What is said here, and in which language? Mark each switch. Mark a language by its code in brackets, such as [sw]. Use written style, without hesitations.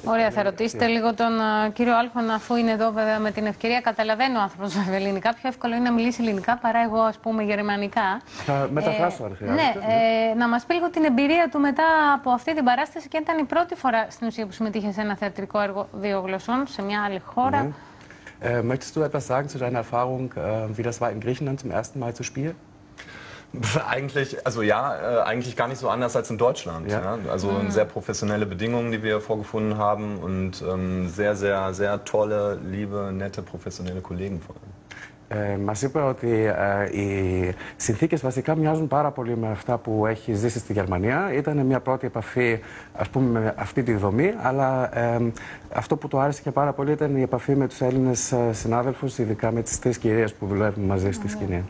[el] Ωραία, θα ρωτήσετε λίγο τον κύριο Άλχον, αφού είναι εδώ βέβαια με την ευκαιρία. Καταλαβαίνω ο άνθρωπος ελληνικά. Πιο εύκολο είναι να μιλήσει ελληνικά παρά εγώ, ας πούμε, γερμανικά. Θα μεταφράσω αρχικά. Ναι, να μας πει λίγο την εμπειρία του μετά από αυτή την παράσταση και ήταν η πρώτη φορά στην ουσία που συμμετείχε σε ένα θεατρικό έργο δύο γλωσσών σε μια άλλη χώρα. [de] Möchtest du etwas sagen zu deiner Erfahrung, wie das war in Griechenland zum ersten Mal zu spielen? Eigentlich, also ja, eigentlich gar nicht so anders als in Deutschland. Ja. Ja. Also sehr professionelle Bedingungen, die wir vorgefunden haben und sehr, sehr, sehr tolle, liebe, nette, professionelle Kollegen vor allem. [el] Μας είπε ότι οι συνθήκες βασικά μοιάζουν πάρα πολύ με αυτά που έχει ζήσει στη Γερμανία. Ήταν μια πρώτη επαφή, ας πούμε, με αυτή τη δομή, αλλά αυτό που το άρεσε και πάρα πολύ ήταν η επαφή με τους Έλληνες συνάδελφους, ειδικά με τις τρεις κυρίες που δουλεύουν μαζί στη σκηνή.